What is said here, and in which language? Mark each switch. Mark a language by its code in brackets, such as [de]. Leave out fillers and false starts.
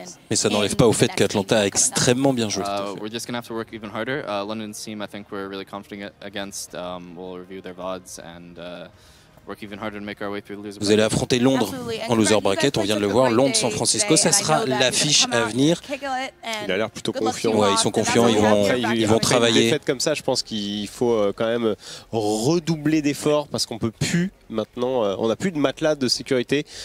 [fr] Mais ça n'enlève pas au fait qu'Atlanta a extrêmement bien joué. [en] We're just gonna have to work even harder. London's team, I think we're really confident against. We'll review their VODs and work even harder to make our way through the loser. [fr] Vous allez affronter Londres en loser bracket, on vient de le voir. Londres, San Francisco, ça sera l'affiche à venir. Il a l'air plutôt confiant. Ouais, ils sont confiants, ils vont travailler. Après une défaite comme ça, je pense qu'il faut quand même redoubler d'efforts parce qu'on peut plus maintenant, on n'a plus de matelas de sécurité.